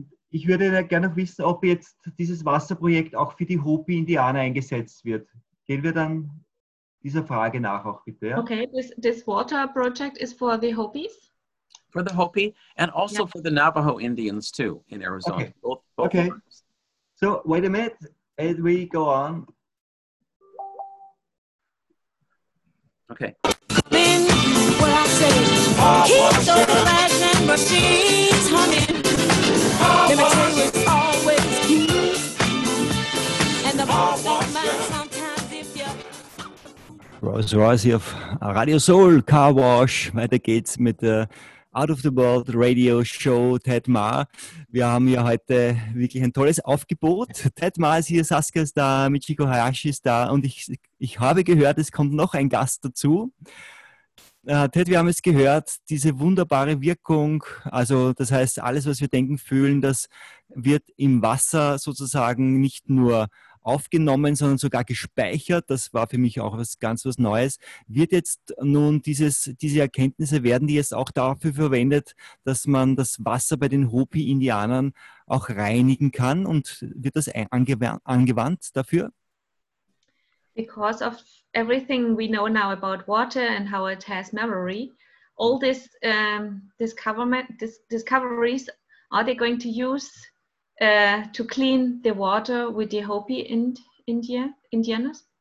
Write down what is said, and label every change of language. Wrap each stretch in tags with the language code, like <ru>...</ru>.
<de>Ich würde gerne noch wissen, ob jetzt dieses Wasserprojekt auch für die Hopi-Indianer eingesetzt wird. Gehen wir dann dieser Frage nach auch bitte. Ja?</de> <en>Okay, this water project is for the Hopis? For the Hopi and also for the Navajo Indians too in Arizona. Okay. Both. So wait a minute as we go on. Okay. Coming, what I say, keep those lightning machines humming. The material is always huge. And the boss don't mind sometimes if you're...</en> <de>Rolls Royce hier auf Radio Soul, Car Wash. Weiter geht's mit der Out of the World Radio Show Ted Ma. Wir haben ja heute wirklich ein tolles Aufgebot. Ted Ma ist hier, Saskia ist da, Michiko Hayashi ist da und ich habe gehört, es kommt noch ein Gast dazu. Ted, wir haben es gehört, diese wunderbare Wirkung, also das heißt, alles, was wir denken, fühlen, das wird im Wasser sozusagen nicht nur aufgenommen, sondern sogar gespeichert. Das war für mich auch was Neues. Wird jetzt nun diese Erkenntnisse, werden die jetzt auch dafür verwendet, dass man das Wasser bei den Hopi-Indianern auch reinigen kann? Und wird das angewandt dafür?</de> <en>Because of everything we know now about water and how it has memory, all these discoveries, are they going to use to clean the water with the Hopi Indians?</en>